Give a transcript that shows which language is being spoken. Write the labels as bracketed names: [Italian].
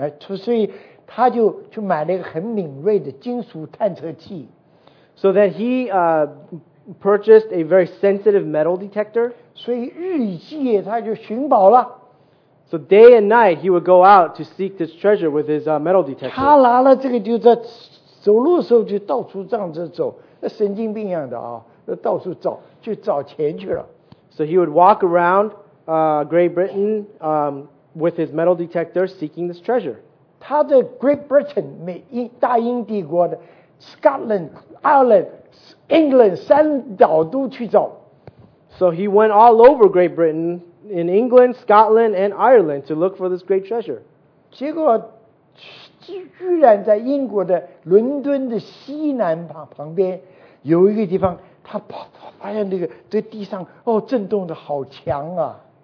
[Chinese] 所以他就去买了一个很敏锐的金属探测器。 [English] So that he purchased a very sensitive metal detector. [Chinese] 所以日以继夜他就寻宝了。 [English] So day and night he would go out to seek this treasure with his metal detector. [Chinese] 他拿了这个就在走路的时候就到处这样子走，那神经病一样的啊，就到处找，去找钱去了。 [English] So he would walk around Great Britain with his metal detector seeking this treasure. [Chinese] 他在 Great Britain 大英帝国的 Scotland、Ireland、England 三岛都去找。 [English] So he went all over Great Britain, in England, Scotland, and Ireland to look for this great treasure. [Chinese] 结果居然在英国的伦敦的西南旁边有一个地方，他发现那个在地上哦震动的好强啊。